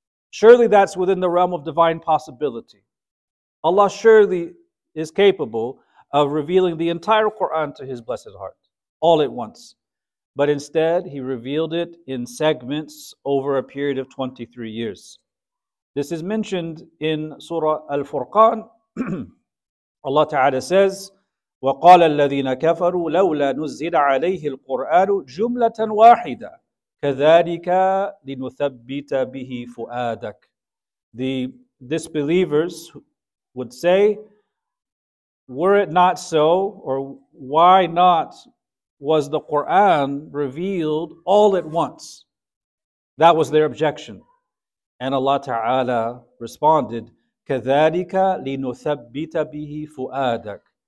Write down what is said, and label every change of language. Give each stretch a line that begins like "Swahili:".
English: Surely that's within the realm of divine possibility. Allah surely is capable of revealing the entire Quran to His blessed heart, all at once. But instead, He revealed it in segments over a period of 23 years. This is mentioned in Surah Al-Furqan. Allah Ta'ala says,
Arabic: وَقَالَ الَّذِينَ كَفَرُوا لَوْلَا نُزِّلَ عَلَيْهِ الْقُرْآنُ جُمْلَةً وَاحِدًا كَذَلِكَ لِنُثَبِّتَ بِهِ فُؤَادَكَ.
English: The disbelievers would say, were it not so, or why not was the Quran revealed all at once? That was their objection. And Allah Ta'ala responded,
Arabic: كَذَلِكَ لِنُثَبِّتَ بِهِ فُؤَادَكَ.